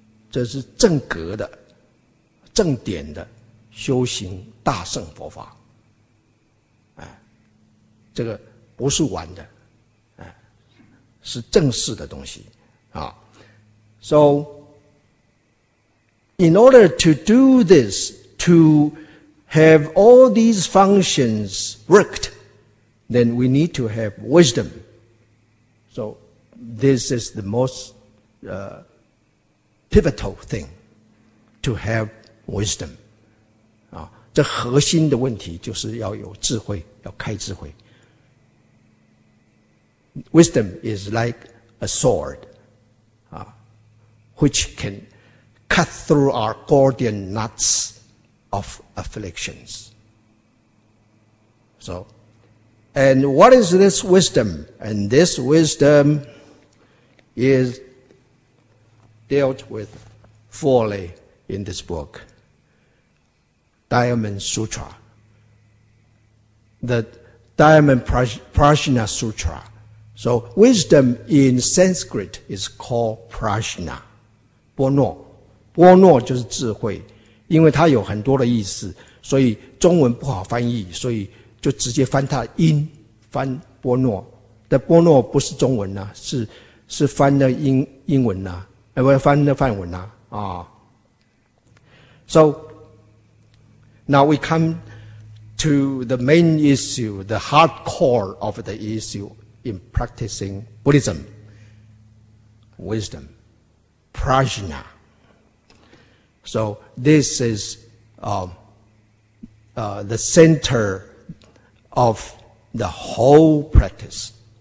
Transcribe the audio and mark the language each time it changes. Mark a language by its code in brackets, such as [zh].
[zh] 这是正格的、正典的修行大圣佛法，哎，这个不是玩的，是正式的东西。 [en] So, in order to do this, to have all these functions worked, then we need to have wisdom. So, this is the most pivotal thing, to have wisdom. [zh] 这核心的问题就是要有智慧，要开智慧。 [en] Wisdom is like a sword, which can cut through our Gordian knots of afflictions. So, and what is this wisdom? And this wisdom is dealt with fully in this book, Diamond Sutra. The Diamond Prajna Sutra. So, wisdom in Sanskrit is called prajna, 波诺。 [zh] 波诺就是智慧，因为它有很多的意思，所以中文不好翻译，所以就直接翻它的音，翻波诺。但波诺不是中文啊，是翻的英文啊，翻的梵文啊。 [en] So, now we come to the main issue, the hardcore of the issue. In practicing Buddhism, wisdom, prajna. So this is the center of the whole practice.